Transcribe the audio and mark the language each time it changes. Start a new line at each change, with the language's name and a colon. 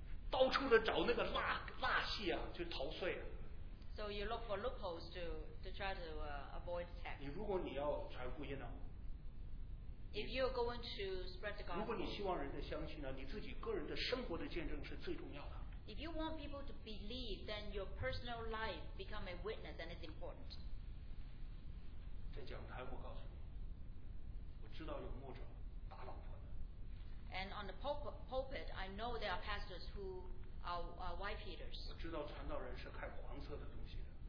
Chinese: 到处的找那个辣戏啊，去逃税啊。
English: So you look for loopholes to try to avoid tax.
Chinese: 你如果你要传福音呢？
English: If you're going to spread the gospel,
Chinese: 如果你希望人的相信呢，你自己个人的生活的见证是最重要的。
English: If you want people to believe, then your personal life become a witness, and it's important.
Chinese: 在讲台我告诉你，我知道有牧者打老婆的。
English: And on the pulpit, I know there are pastors who are wife beaters.
Chinese: 我知道传道人是看黄色的东西的。